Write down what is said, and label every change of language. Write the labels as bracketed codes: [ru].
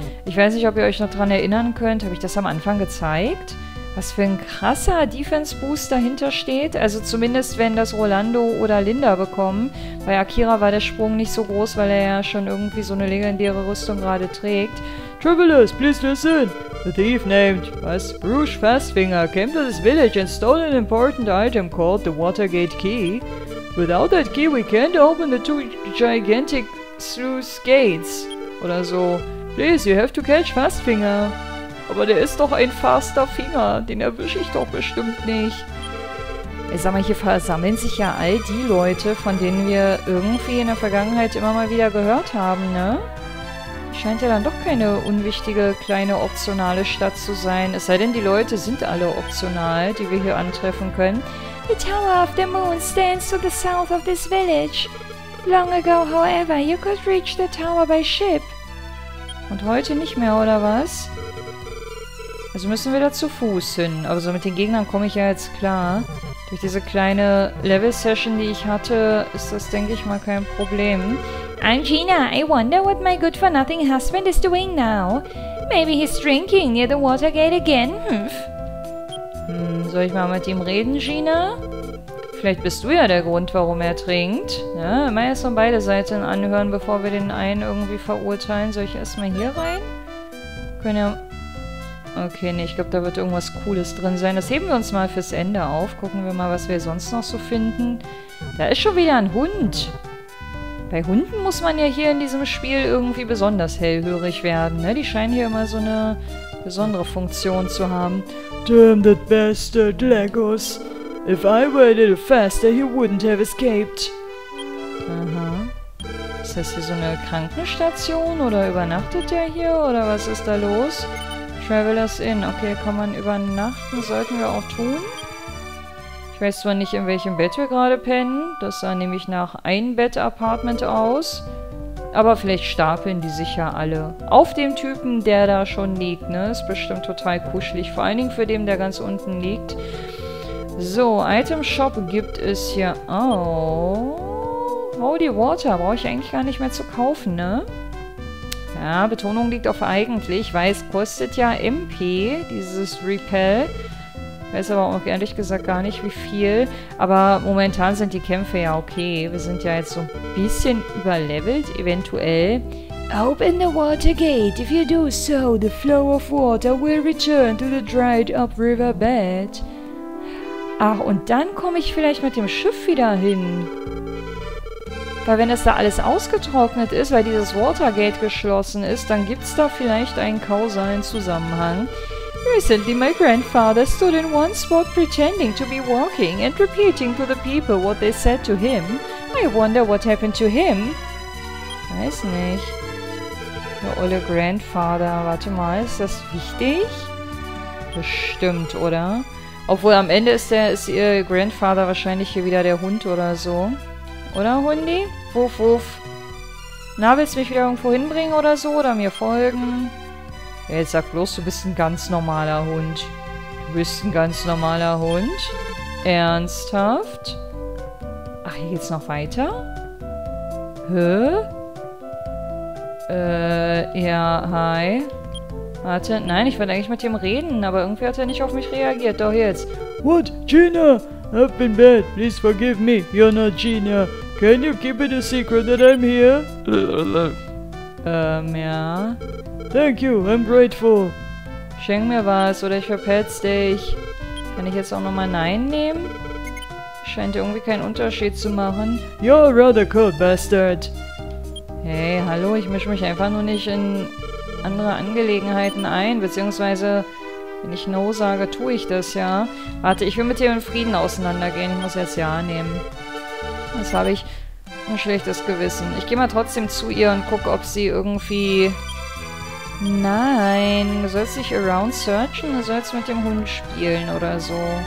[de] Ich weiß nicht, ob ihr euch noch daran erinnern könnt. Habe ich das am Anfang gezeigt? Was für ein krasser Defense-Boost dahinter steht. Also zumindest, wenn das Rolando oder Linda bekommen. Bei Akira war der Sprung nicht so groß, weil er ja schon irgendwie so eine legendäre Rüstung gerade trägt. [en] Travelers, please listen. The thief named as Bruce Fastfinger came to this village and stole an important item called the Watergate Key. Without that key, we can't open the two gigantic sluice gates. [de] Oder so. [en] Please, you have to catch Fastfinger. [de] Aber der ist doch ein faster Finger. Den erwische ich doch bestimmt nicht. Sag mal, hier versammeln sich ja all die Leute, von denen wir irgendwie in der Vergangenheit immer mal wieder gehört haben, ne? Scheint ja dann doch keine unwichtige, kleine, optionale Stadt zu sein. Es sei denn, die Leute sind alle optional, die wir hier antreffen können. [en] The Tower of the Moon stands to the south of this village. Long ago, however, you could reach the tower by ship. [de] Und heute nicht mehr, oder was? Also müssen wir da zu Fuß hin. Aber so mit den Gegnern komme ich ja jetzt klar. Durch diese kleine Level-Session, die ich hatte, ist das, denke ich mal, kein Problem. [en] Angina, I wonder what my good-for-nothing husband is doing now. Maybe he's drinking near the Watergate again. [de] Soll ich mal mit ihm reden, Gina? Vielleicht bist du ja der Grund, warum er trinkt. Ja, mal erst mal beide Seiten anhören, bevor wir den einen irgendwie verurteilen. Soll ich erstmal hier rein? Können ja. Okay, nee, ich glaube, da wird irgendwas Cooles drin sein. Das heben wir uns mal fürs Ende auf. Gucken wir mal, was wir sonst noch so finden. Da ist schon wieder ein Hund. Bei Hunden muss man ja hier in diesem Spiel irgendwie besonders hellhörig werden. Ne? Die scheinen hier immer so eine besondere Funktion zu haben. [en] Damn that bastard, Legos. If I were a little faster, he wouldn't have escaped. Aha. [de] Ist das hier so eine Krankenstation? Oder übernachtet der hier? Oder was ist da los? Travelers Inn. Okay, kann man übernachten? Sollten wir auch tun? Ich weiß zwar nicht, in welchem Bett wir gerade pennen. Das sah nämlich nach Ein-Bett-Apartment aus. Aber vielleicht stapeln die sich ja alle auf dem Typen, der da schon liegt, ne? Ist bestimmt total kuschelig. Vor allen Dingen für den, der ganz unten liegt. So, Item Shop gibt es hier auch. Oh, die Water brauche ich eigentlich gar nicht mehr zu kaufen, ne? Ja, Betonung liegt auf eigentlich, weil es kostet ja MP, dieses Repel. Weiß aber auch ehrlich gesagt gar nicht, wie viel. Aber momentan sind die Kämpfe ja okay. Wir sind ja jetzt so ein bisschen überlevelt, eventuell. [en] Open the water gate. If you do so, the flow of water will return to the dried up river bed. [de] Ach, und dann komme ich vielleicht mit dem Schiff wieder hin. Weil wenn das da alles ausgetrocknet ist, weil dieses Watergate geschlossen ist, dann gibt es da vielleicht einen kausalen Zusammenhang. [en] Recently my grandfather stood in one spot pretending to be walking and repeating to the people what they said to him. I wonder what happened to him. [de] Weiß nicht. Der olle Grandfather. Warte mal, ist das wichtig? Bestimmt, oder? Obwohl am Ende ist ihr Grandfather wahrscheinlich hier wieder der Hund oder so. Oder, Hundi? Wuff, wuff. Na, willst du mich wieder irgendwo hinbringen oder so? Oder mir folgen? Ey, sag bloß, du bist ein ganz normaler Hund. Du bist ein ganz normaler Hund? Ernsthaft? Ach, hier geht's noch weiter? Hä? Ja, hi. Warte, nein, ich wollte eigentlich mit ihm reden, aber irgendwie hat er nicht auf mich reagiert. Doch jetzt. [en] What? Gina? I've been bad. Please forgive me. You're not Gina. Can you keep it a secret that I'm here? [de] ja. [en] Thank you, I'm grateful. [de] Schenk mir was oder ich verpetz dich. Kann ich jetzt auch nochmal Nein nehmen? Scheint irgendwie keinen Unterschied zu machen. [en] You're a rather cold bastard. [de] Hey, hallo, ich mische mich einfach nur nicht in andere Angelegenheiten ein, beziehungsweise wenn ich No sage, tue ich das ja. Warte, ich will mit dir in Frieden auseinandergehen. Ich muss jetzt Ja nehmen. Das habe ich ein schlechtes Gewissen. Ich gehe mal trotzdem zu ihr und gucke, ob sie irgendwie... Nein, du sollst dich around searchen, du sollst mit dem Hund spielen oder so.